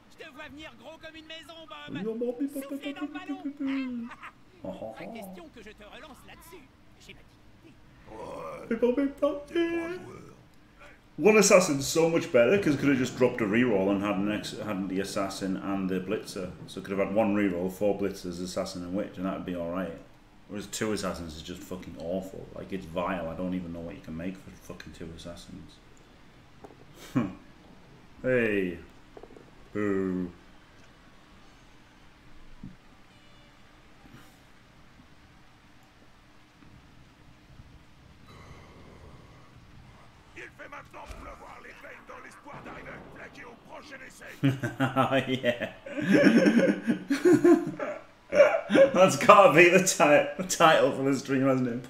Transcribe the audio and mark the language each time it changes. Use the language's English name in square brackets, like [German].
[French] Je te vois venir gros comme une maison, Bob. Soufflez dans le ballon. La question que je te relance là-dessus, j'ai ma dignité. [English] One assassin's so much better because could have just dropped a reroll and had the assassin and the blitzer. So could have had one reroll, four blitzers, assassin and witch, and that'd be alright. Whereas two assassins is just fucking awful. Like, it's vile. I don't even know what you can make for fucking two assassins. Hey. Boo. [French] Il fait maintenant pleuvoir les veines dans l'espoir d'arriver à plaquer au prochain essai. [English] Oh, yeah. That's gotta be the title for the stream, hasn't it?